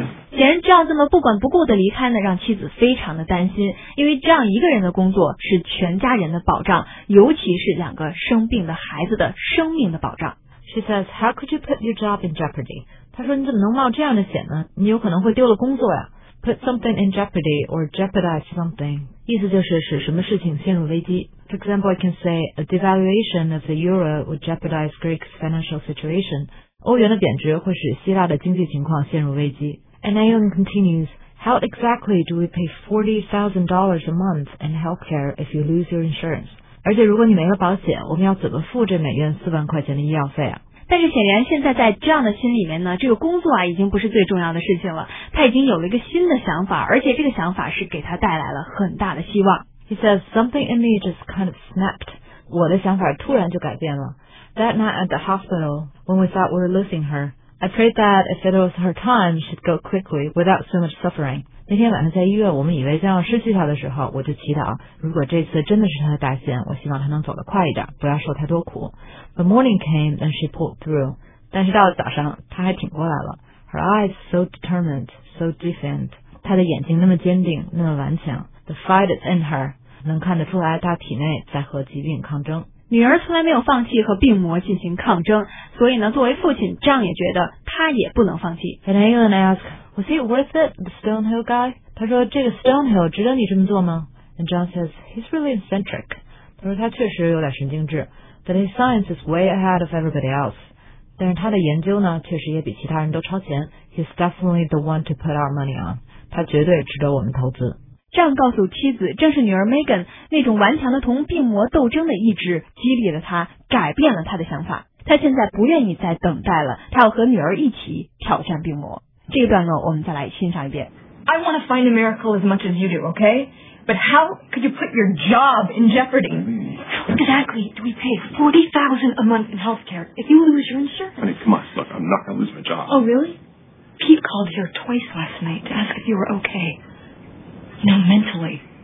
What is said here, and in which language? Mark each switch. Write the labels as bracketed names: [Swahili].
[Chinese] 既然这样这么不管不顾的离开呢，让妻子非常的担心，因为这样一个人的工作是全家人的保障，尤其是两个生病的孩子的生命的保障。 [English] She says, how could you put your job in jeopardy? [Chinese] 她说你怎么能冒这样的险呢？你有可能会丢了工作呀。 [English] Put something in jeopardy or jeopardize something. [Chinese] 意思就是使什么事情陷入危机。 [English] For example, I can say, a devaluation of the euro would jeopardize Greek's financial situation. [Chinese] 欧元的贬值会使希腊的经济情况陷入危机。 [English] And Aileen continues, how exactly do we pay $40,000 a month in healthcare if you lose your insurance? [Chinese] 而且如果你没了保险，我们要怎么付这每月$40,000的医药费啊？但是显然现在在这样的心里面呢，这个工作啊已经不是最重要的事情了。他已经有了一个新的想法，而且这个想法是给他带来了很大的希望。 [English] He says, something in me just kind of snapped. [Chinese] 我的想法突然就改变了。 [English] That night at the hospital, when we thought we were losing her, I prayed that if it was her time, she'd go quickly without so much suffering. [Chinese] 那天晚上在医院，我们以为将要失去她的时候，我就祈祷，如果这次真的是她的大限，我希望她能走得快一点，不要受太多苦。 [English] But morning came and she pulled through. [Chinese] 但是到了早上，她还挺过来了。 [English] Her eyes so determined, so defiant. [Chinese] 她的眼睛那么坚定，那么顽强。 [English] The fight is in her. [Chinese] 能看得出来她体内在和疾病抗争。女儿从来没有放弃和病魔进行抗争，所以呢，作为父亲，丈也觉得他也不能放弃。 [English] And Aileen asks, "Was he worth it, the Stonehill guy?" [Chinese] 他说这个 Stonehill 值得你这么做吗 ？ [English] And John says, "He's really eccentric." [Chinese] 他说他确实有点神经质 ， [English] but his science is way ahead of everybody else. [Chinese] 但是他的研究呢，确实也比其他人都超前。 [English] He's definitely the one to put our money on. [Chinese] 他绝对值得我们投资。这样告诉妻子，正是女儿 Megan 那种顽强的同病魔斗争的意志激励了她，改变了她的想法。她现在不愿意再等待了，她要和女儿一起挑战病魔。这个段落我们再来欣赏一遍。 [English] I want to find a miracle as much as you do, okay? But how could you put your job in jeopardy? How exactly do we pay $40,000 a month in healthcare if you lose your insurance? Honey, come on, look, I'm not going to lose my job. Oh, really? Pete called here twice last night to ask if you were okay. No, mentally.